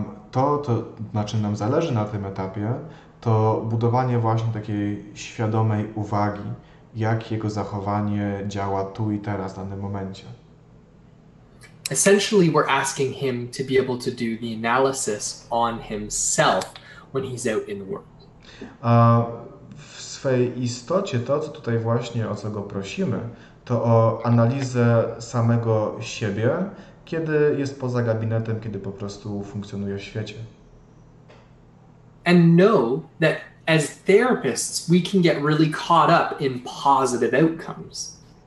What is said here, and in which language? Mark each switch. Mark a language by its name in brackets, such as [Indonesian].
[Polish] To, na czym nam zależy na tym etapie, to budowanie właśnie takiej świadomej uwagi, jak jego zachowanie działa tu i teraz, w danym momencie. [English] Essentially, we're asking him to be able to do the analysis on himself when he's out in the world. [Polish] W swej istocie to, co tutaj właśnie, o co go prosimy, to o analizę samego siebie, kiedy jest poza gabinetem, kiedy po prostu funkcjonuje w świecie. [English] And know that as therapists, we can get really caught up in positive outcomes.